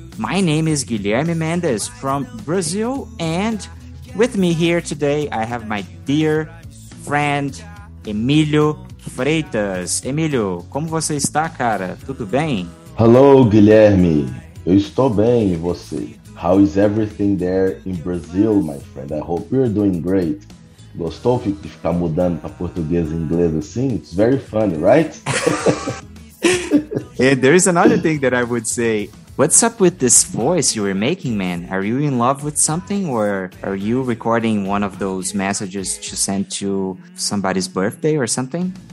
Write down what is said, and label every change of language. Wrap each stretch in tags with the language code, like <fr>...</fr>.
<en>My name is Guilherme Mendes from Brazil, and with me here today, I have my dear friend, Emilio Freitas.</en> <pt>Emilio, como você está, cara? Tudo bem? Hello, Guilherme. Eu estou bem, e você?</pt> <en>How is everything there in Brazil, my friend? I hope you're doing great.</en> <pt>Gostou de ficar mudando para português e inglês assim?</pt> <en>It's very funny, right? And there is another thing that I would say. What's up with this voice you were making, man? Are you in love with something, or are you recording one of those messages to send to somebody's birthday or something?</en>